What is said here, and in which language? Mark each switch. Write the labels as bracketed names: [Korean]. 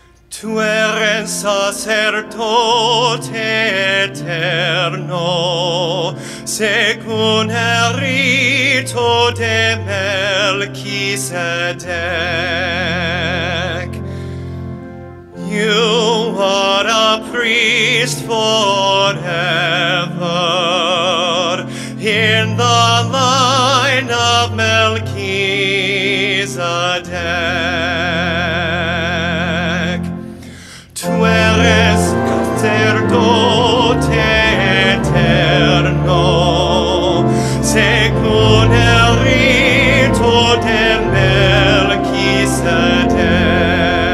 [Spanish] Tu eres sacerdote eterno, según el rito de Melquisedec. [English] You are a priest forever in the line of Melchizedek. [Spanish] Tu eres sacerdote eterno, según el rito de Melchizedek.